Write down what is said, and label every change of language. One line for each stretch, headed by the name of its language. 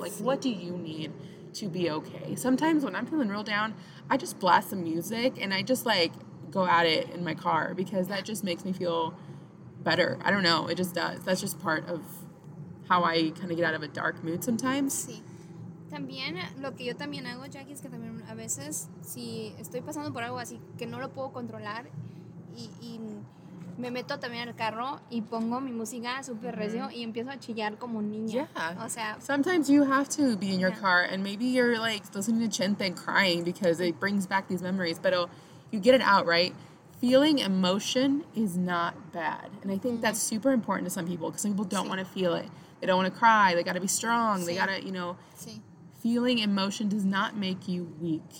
English: Like, what do you need to be okay? Sometimes when I'm feeling real down, I just blast some music and I just, like, go at it in my car because that just makes me feel better. I don't know. It just does. That's just part of how I kind of get out of a dark mood sometimes.
Spanish: Sí. También, lo que yo también hago, Jackie, es que también a veces, si estoy pasando por algo así que no lo puedo controlar y me meto también al carro y pongo mi música súper recio y empiezo a chillar como un niño.
English: Yeah.
Spanish: O sea,
English: sometimes you have to be in your car and maybe you're like listening to Chente and crying because it brings back these memories, but you get it out, right? Feeling emotion is not bad. And I think that's super important to some people because some people don't want to feel it. They don't want to cry. They got to be strong. They got to, you know. Feeling emotion does not make you weak.